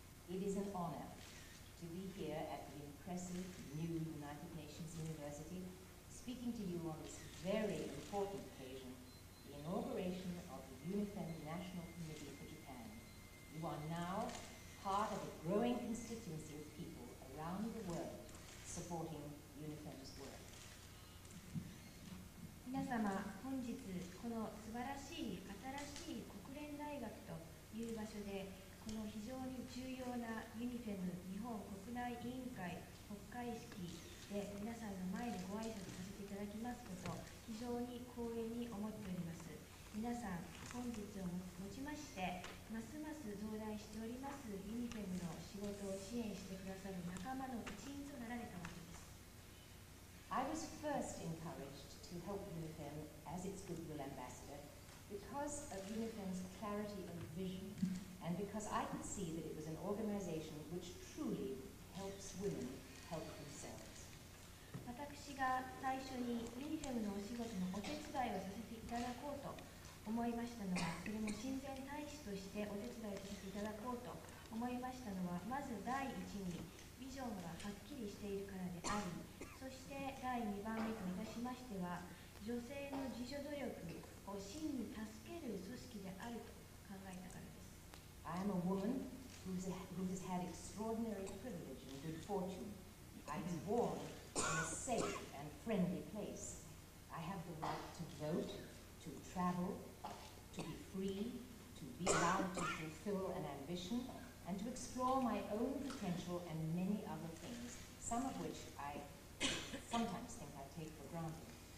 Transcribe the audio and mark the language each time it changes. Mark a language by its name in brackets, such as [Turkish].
[English] It is an honor to be here at the impressive new United Nations University, speaking to you on this very important occasion, the inauguration of the UNIFEM National Committee for Japan. You are now part of a growing constituency of people around the world supporting UNIFEM's work. [Japanese] 皆様、本日この素晴らしい新しい国連大学という場所で、この非常に重要なユニフェム日本国内委員会国会式で皆さんの前でご挨拶させていただきますこと、非常に光栄に思っております。皆さん、本日をもちまして、ますます増大しておりますユニフェムの仕事を支援してくださる仲間の一員となられたわけです。 [English] I was first encouraged to help UNIFEM as its goodwill ambassador because of UNIFEM's clarity of vision and because I could see that it was an organization which truly helps women help themselves. [Japanese] 私が最初に UNIFEM のお仕事のお手伝いをさせていただこうと思いましたのは、それも親善大使としてお手伝いさせていただこうと思いましたのは、まず第一にビジョンがはっきりしているからであり、そして第2番目といたしましては、女性の自助努力を真に助ける組織であると考えたからです。 [English] I am a woman who has had extraordinary privilege and good fortune. I was born in a safe and friendly place. I have the right to vote, to travel, to be free, to be allowed to fulfill an ambition, and to explore my own potential and many other things, some of which I sometimes think I take for granted.